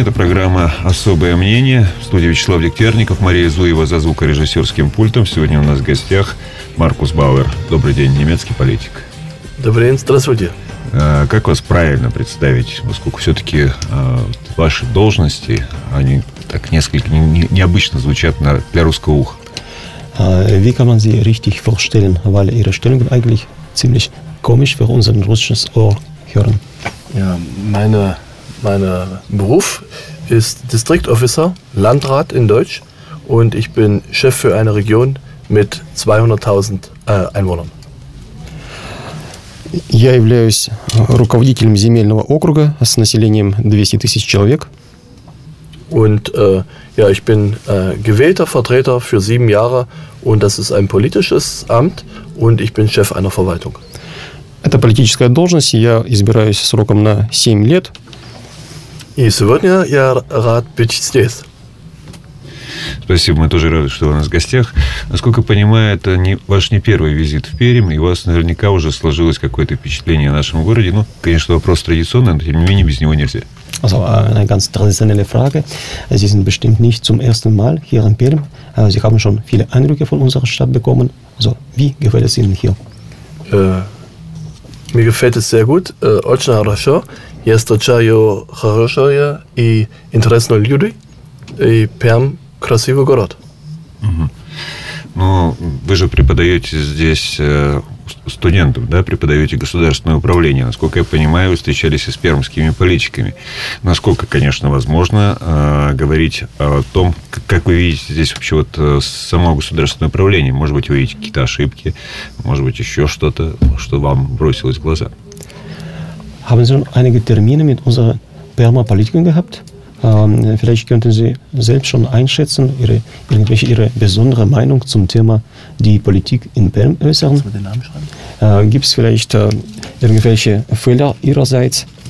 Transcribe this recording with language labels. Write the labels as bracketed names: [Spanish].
[Russian] Это программа «Особое мнение». В студии Вячеслав Дегтярников, Мария Зуева за звукорежиссерским пультом. Сегодня у нас в гостях Маркус Бауэр. Добрый день, немецкий политик. Добрый день, здравствуйте. Как вас правильно представить, поскольку все-таки ваши должности, они так несколько необычно звучат для русского уха? [German] Wie kann man sie richtig vorstellen, weil ihre Stellung eigentlich ziemlich komisch für unser russisches Ohr hören? Ja, mein Beruf ist [English] District Officer, [German] Landrat in Deutsch, und ich bin Chef für eine Region mit 200.000 Einwohnern. [Russian] Я являюсь руководителем земельного округа с населением 200 тысяч человек. [German] Und ja, ich bin gewählter Vertreter für 7 Jahre und das ist ein politisches Amt und ich bin Chef einer Verwaltung. [Russian] Это политическая должность, я избираюсь сроком на 7 лет. И сегодня я рад быть здесь. Спасибо, мы тоже рады, что вы у нас в гостях. Насколько я понимаю, это ваш не первый визит в Пермь, и у вас наверняка уже сложилось какое-то впечатление о нашем городе. Ну, конечно, вопрос традиционный, но тем не менее без него нельзя. [German] Also eine ganz traditionelle Frage. Sie sind bestimmt nicht zum ersten Mal hier in Perm. Sie haben schon viele Eindrücke von unserer Stadt bekommen. Also, wie gefällt es Ihnen hier? Mir gefällt es sehr gut. [Russian] Очень хорошо. Я встречаю хорошие и интересные люди. И Перм красивый город. Ну, вы же преподаете здесь студентам, да, преподаете государственное управление. Насколько я понимаю, вы встречались и с пермскими политиками. Насколько, конечно, возможно говорить о том, как вы видите здесь вообще вот само государственное управление? Может быть, вы видите какие-то ошибки, может быть, еще что-то, что вам бросилось в глаза? [German] Haben Sie schon einige Termine mit unserer Permer Politikern gehabt? Vielleicht könnten Sie selbst schon einschätzen, Ihre besondere Meinung zum Thema die Politik in Perm äußern. Gibt es vielleicht irgendwelche Fehler Ihrerseits?